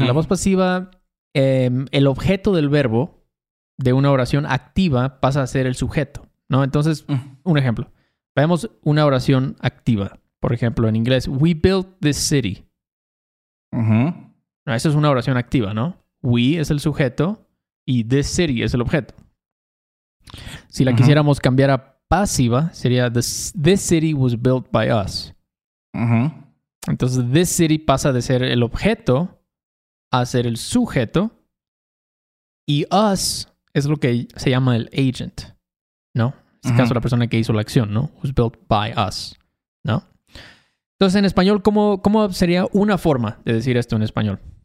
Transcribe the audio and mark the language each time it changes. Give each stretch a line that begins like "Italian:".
Spanish: La voz pasiva, el objeto del verbo de una oración activa pasa a ser el sujeto, ¿no? Entonces, un ejemplo. Veamos una oración activa. Por ejemplo, en inglés,
English: we built this city.
Spanish: Esa es una oración activa, ¿no? We es el sujeto y this city es el objeto. Si la quisiéramos cambiar a pasiva, sería
English: this city was built by us.
Spanish: Entonces, this city pasa de ser el objeto a ser el sujeto. Y us es lo que se llama el agent, ¿no? En este caso, la persona que hizo la acción, ¿no?
English: Was built by us,
Spanish: ¿no? Entonces, en español, ¿cómo sería una forma de decir esto en español?